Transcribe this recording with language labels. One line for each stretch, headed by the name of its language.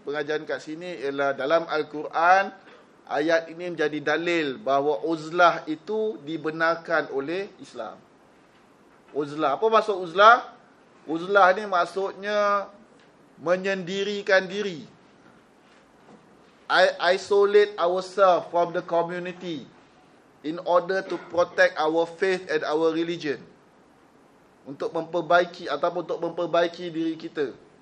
Malay: Pengajaran dekat sini ialah dalam Al-Quran ayat ini menjadi dalil bahawa uzlah itu dibenarkan oleh Islam. Uzlah, apa maksud uzlah? Uzlah ni maksudnya menyendirikan diri.
English: Isolate ourselves from the community in order to protect our faith and our religion.
Malay: Untuk memperbaiki ataupun untuk memperbaiki diri kita.